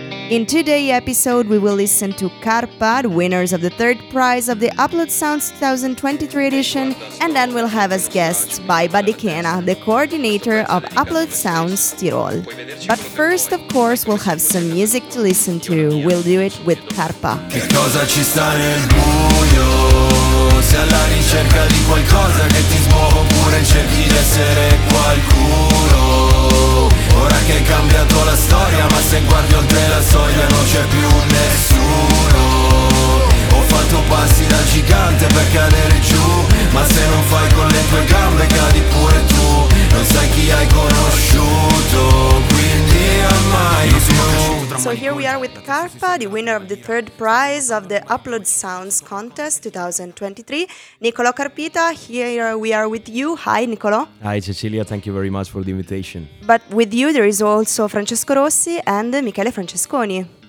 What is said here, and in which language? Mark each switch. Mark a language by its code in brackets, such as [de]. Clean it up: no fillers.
[en] In today's episode, we will listen to Carpa, the winners of the third prize of the Upload Sounds 2023 edition, and then we'll have as guests Baiba Di Kena, the coordinator of Upload Sounds Tirol. But first, of course, we'll have some music to listen to. We'll do it with Carpa. [it] Che cosa ci sta nel buio? Sei alla ricerca di qualcosa che ti smuovo oppure cerchi di essere qualcuno? Ora che hai cambiato la storia, ma se guardi oltre la soglia non c'è più nessuno. Ho fatto passi da gigante per cadere giù, ma se non fai con le tue gambe cadi pure tu. Non sai chi hai conosciuto, quindi ormai più. [en] So here we are with Carpa, the winner of the third prize of the Upload Sounds Contest 2023. Nicolò Carpita, here we are with you. Hi, Nicolò. Hi, Cecilia. Thank you very much for the invitation. But with you, there is also Francesco Rossi and Michele Francesconi.